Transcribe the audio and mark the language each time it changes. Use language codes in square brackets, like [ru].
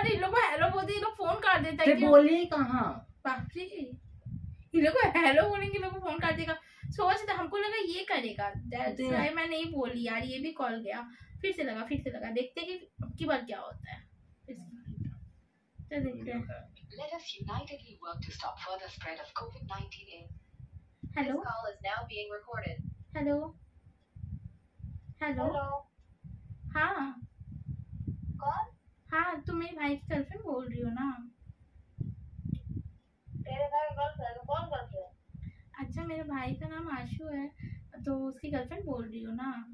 [hi] अरे लोग हेलो बोलते हैं, लोग फोन काट देता है। तेरे बोली कहाँ? बापरे, ये लोग हेलो बोलेंगे लोग फोन काट देगा। सोच था हमको लगा ये करेगा, [en] that's why [hi] मैंने ये बोली यार, ये भी कॉल गया, फिर से लगा। देखते हैं कि अब की बार क्या होता है। तो देखते हैं। [en] Let us unitedly work to stop further spread of COVID-19. Hello? This call is now being recorded. Hello? Hello? [hi] हाँ हाँ, तुम मेरी भाई की गर्लफ्रेंड बोल रही हो ना? तेरे भाई की गर्लफ्रेंड कौन गर्लफ्रेंड? अच्छा मेरे भाई का नाम आशु है, तो उसकी गर्लफ्रेंड बोल रही हो ना?